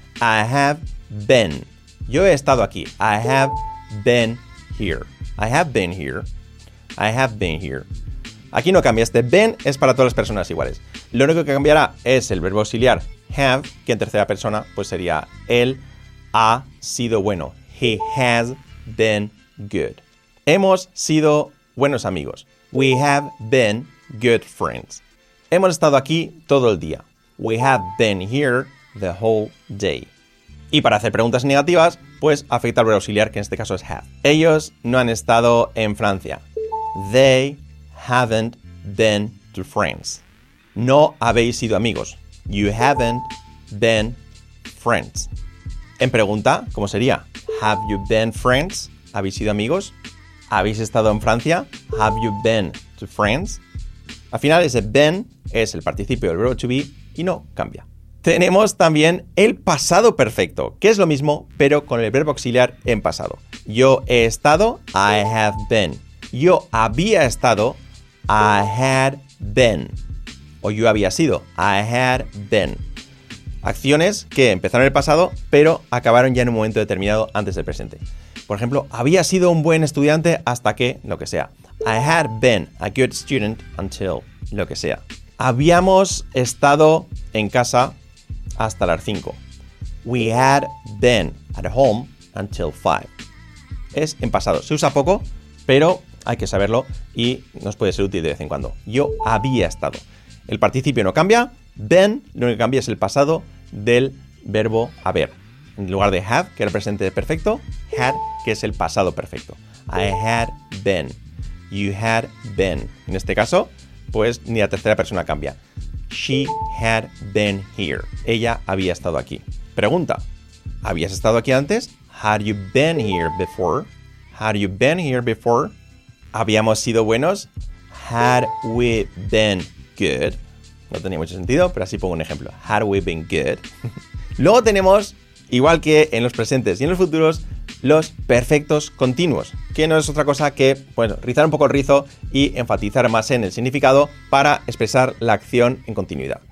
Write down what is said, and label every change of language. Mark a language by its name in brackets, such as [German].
[English] I have been. [Spanish] Yo he estado aquí. [English] I have been here. I have been here. I have been here. [Spanish] Aquí no cambia. Este been es para todas las personas iguales. Lo único que cambiará es el verbo auxiliar have, que en tercera persona pues sería él ha sido bueno. [English] He has been good. [Spanish] Hemos sido buenos amigos. [English] We have been good friends. [Spanish] Hemos estado aquí todo el día. [English] We have been here the whole day. [Spanish] Y para hacer preguntas negativas, pues afecta al verbo auxiliar, que en este caso es have. Ellos no han estado en Francia. [English] They haven't been to France. [Spanish] No habéis sido amigos. [English] You haven't been friends. [Spanish] En pregunta, ¿cómo sería? [English] Have you been friends? [Spanish] ¿Habéis sido amigos? ¿Habéis estado en Francia? [English] Have you been to France? [Spanish] Al final, ese been es el participio del verbo to be y no cambia. Tenemos también el pasado perfecto, que es lo mismo, pero con el verbo auxiliar en pasado. Yo he estado, [English] I have been. [Spanish] Yo había estado, [English] I had been. [Spanish] O yo había sido, [English] I had been. [Spanish] Acciones que empezaron en el pasado, pero acabaron ya en un momento determinado antes del presente. Por ejemplo, había sido un buen estudiante hasta que, lo que sea. [English] I had been a good student until, [Spanish] lo que sea. Habíamos estado en casa hasta las 5. [English] We had been at home until 5. [Spanish] Es en pasado. Se usa poco, pero hay que saberlo y nos puede ser útil de vez en cuando. Yo había estado. El participio no cambia, been lo único que cambia es el pasado del verbo haber. En lugar de have, que era el presente perfecto, had, que es el pasado perfecto. [English] I had been, you had been. [Spanish] En este caso, pues ni la tercera persona cambia. [English] She had been here. [Spanish] Ella había estado aquí. Pregunta, ¿habías estado aquí antes? [English] Had you been here before? Had you been here before? [Spanish] ¿Habíamos sido buenos? [English] Had we been good. [Spanish] No tenía mucho sentido, pero así pongo un ejemplo. [English] Had we been good. [Spanish] Luego tenemos, igual que en los presentes y en los futuros, los perfectos continuos, que no es otra cosa que, bueno, rizar un poco el rizo y enfatizar más en el significado para expresar la acción en continuidad.